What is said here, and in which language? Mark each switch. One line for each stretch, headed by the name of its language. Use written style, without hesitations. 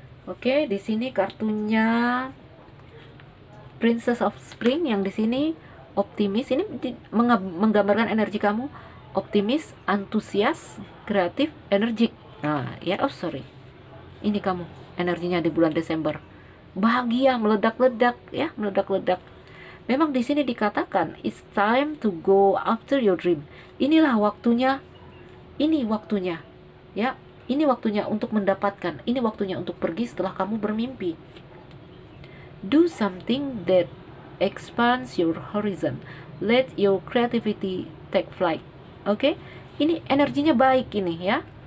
Indonesian: Oke, di sini kartunya Princess of Spring yang di sini optimis. Ini menggambarkan energi kamu optimis, antusias, kreatif, energik. Nah, ya, oh sorry. Ini kamu energinya di bulan Desember. Bahagia, meledak-ledak, ya, meledak-ledak. Memang di sini dikatakan
English: it's time to go after your dream.
Indonesian: Inilah waktunya. Ini waktunya. Ya. Ini waktunya untuk mendapatkan. Ini waktunya untuk pergi setelah kamu bermimpi.
English: Do something that expands your horizon. Let your creativity take flight.
Indonesian: Oke? Ini energinya baik ini ya.